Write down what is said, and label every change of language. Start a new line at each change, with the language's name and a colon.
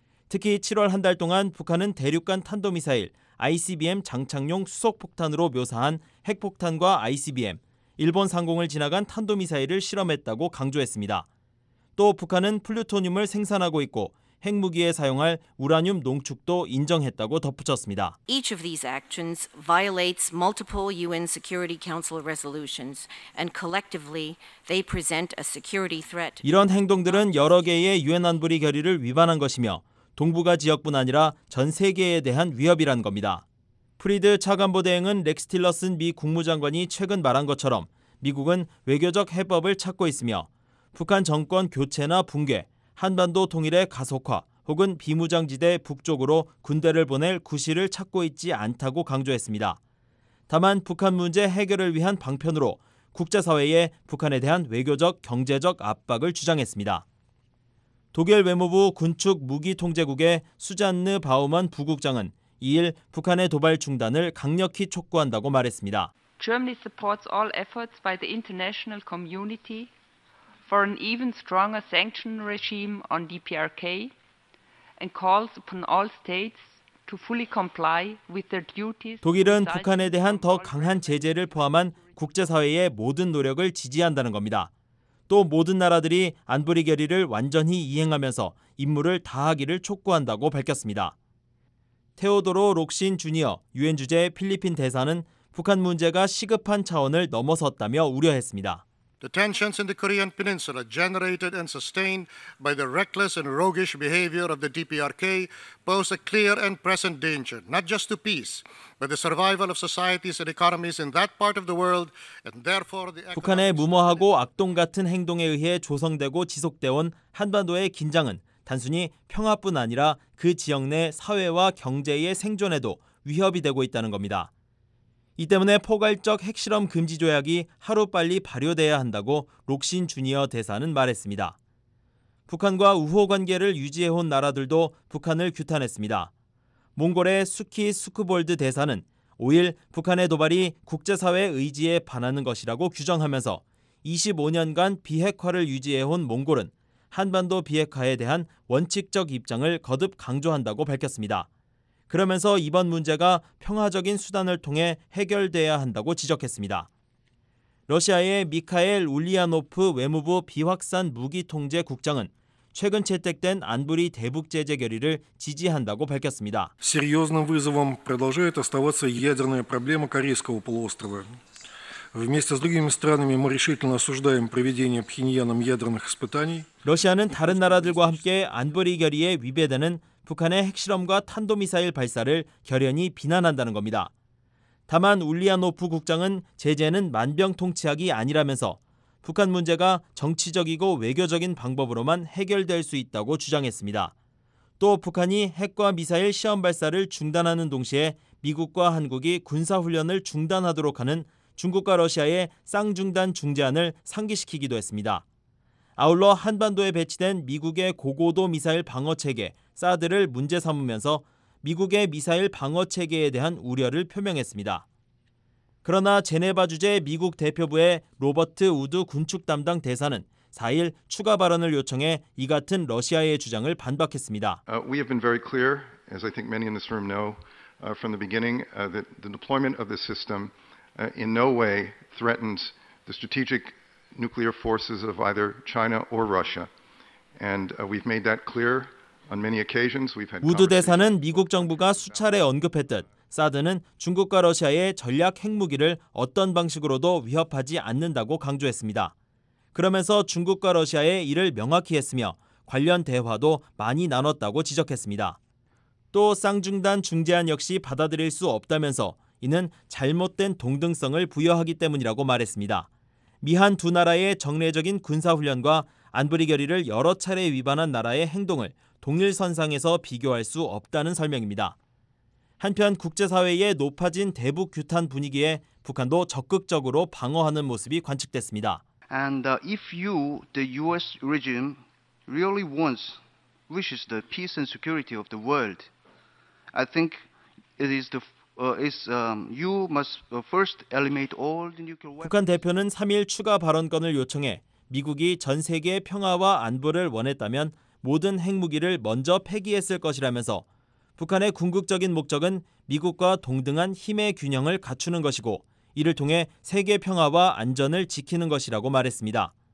Korean: 특히 7월 한 달 동안 북한은 대륙간 탄도미사일, ICBM 장착용 수소폭탄으로 묘사한 핵폭탄과 ICBM, 일본 상공을 지나간 탄도미사일을 실험했다고 강조했습니다. 또 북한은 플루토늄을 생산하고 있고 핵무기에 사용할 우라늄 농축도 인정했다고 덧붙였습니다.
English: Each of these actions violates multiple UN Security Council resolutions and collectively they present a security threat.
Korean: 이런 행동들은 여러 개의 UN 안보리 결의를 위반한 것이며 동북아 지역뿐 아니라 전 세계에 대한 위협이란 겁니다. 프리드 차관보대행은 렉스 틸러슨 미 국무장관이 최근 말한 것처럼 미국은 외교적 해법을 찾고 있으며 북한 정권 교체나 붕괴, 한반도 통일의 가속화 혹은 비무장지대 북쪽으로 군대를 보낼 구실을 찾고 있지 않다고 강조했습니다. 다만 북한 문제 해결을 위한 방편으로 국제사회에 북한에 대한 외교적, 경제적 압박을 주장했습니다. 독일 외무부 군축 무기통제국의 수잔느 바우먼 부국장은 2일 북한의 도발 중단을 강력히 촉구한다고 말했습니다.
English: Germany supports all efforts by the international community for an even stronger sanction regime on DPRK and calls upon all states to fully comply with their duties.
Korean: 독일은 북한에 대한 더 강한 제재를 포함한 국제사회의 모든 노력을 지지한다는 겁니다. 또 모든 나라들이 안보리 결의를 완전히 이행하면서 임무를 다하기를 촉구한다고 밝혔습니다. 테오도로 록신 주니어 유엔 주재 필리핀 대사는 북한 문제가 시급한 차원을 넘어섰다며 우려했습니다.
English: The tensions in the Korean Peninsula generated and sustained by the reckless and roguish behavior of the DPRK pose a clear and present danger, not just to peace, but the survival of societies and economies in that part of the world, and therefore the
Korean: 북한의 무모하고 악동 같은 행동에 의해 조성되고 지속되어 온 한반도의 긴장은 단순히 평화뿐 아니라 그 지역 내 사회와 경제의 생존에도 위협이 되고 있다는 겁니다. 이 때문에 포괄적 핵실험 금지 조약이 하루빨리 발효돼야 한다고 록신 주니어 대사는 말했습니다. 북한과 우호 관계를 유지해온 나라들도 북한을 규탄했습니다. 몽골의 수키 수크볼드 대사는 5일 북한의 도발이 국제사회 의지에 반하는 것이라고 규정하면서 25년간 비핵화를 유지해온 몽골은 한반도 비핵화에 대한 원칙적 입장을 거듭 강조한다고 밝혔습니다. 그러면서 이번 문제가 평화적인 수단을 통해 해결돼야 한다고 지적했습니다. 러시아의 미카엘 울리아노프 외무부 비확산 무기통제 국장은 최근 채택된 안보리 대북 제재 결의를 지지한다고 밝혔습니다.
Russian: серьёзным вызовом продолжает оставаться ядерная проблема Корейского полуострова. Вместе с другими странами мы решительно осуждаем проведение Пхеньяном ядерных испытаний.
Korean: 러시아는 다른 나라들과 함께 안보리 결의에 위배되는 북한의 핵실험과 탄도미사일 발사를 결연히 비난한다는 겁니다. 다만 울리아노프 국장은 제재는 만병통치약이 아니라면서 북한 문제가 정치적이고 외교적인 방법으로만 해결될 수 있다고 주장했습니다. 또 북한이 핵과 미사일 시험 발사를 중단하는 동시에 미국과 한국이 군사훈련을 중단하도록 하는 중국과 러시아의 쌍중단 중재안을 상기시키기도 했습니다. 아울러 한반도에 배치된 미국의 고고도 미사일 방어체계 사드를 문제 삼으면서 미국의 미사일 방어 체계에 대한 우려를 표명했습니다. 그러나 제네바 주재 미국 대표부의 로버트 우드 군축 담당 대사는 4일 추가 발언을 요청해 이 같은 러시아의 주장을 반박했습니다.
English: We have been very clear, as I think many in this room know, from the beginning that the deployment of this system in no way threatens the strategic nuclear forces of either China or Russia. And we've made that clear.
Korean: 우드 대사는 미국 정부가 수차례 언급했듯 사드는 중국과 러시아의 전략 핵무기를 어떤 방식으로도 위협하지 않는다고 강조했습니다. 그러면서 중국과 러시아의 이를 명확히 했으며 관련 대화도 많이 나눴다고 지적했습니다. 또 쌍중단 중재안 역시 받아들일 수 없다면서 이는 잘못된 동등성을 부여하기 때문이라고 말했습니다. 미한 두 나라의 정례적인 군사훈련과 안보리 결의를 여러 차례 위반한 나라의 행동을 동일선상에서 비교할 수 없다는 설명입니다. 한편 국제사회의 높아진 대북 규탄 분위기에 북한도 적극적으로 방어하는 모습이 관측됐습니다.
English: And if you, the US regime, really wants, wishes the peace and security of the world, I think it is the you must first eliminate all the nuclear weapons.
Korean: 북한 대표는 3일 추가 발언권을 요청해 미국이 전 세계의 평화와 안보를 원했다면 모든 핵무기를 먼저 폐기했을 것이라면서 북한의 궁극적인 목적은 미국과 동등한 힘의 균형을 갖추는 것이고 이를 통해 세계 평화와 안전을 지키는 것이라고 말했습니다.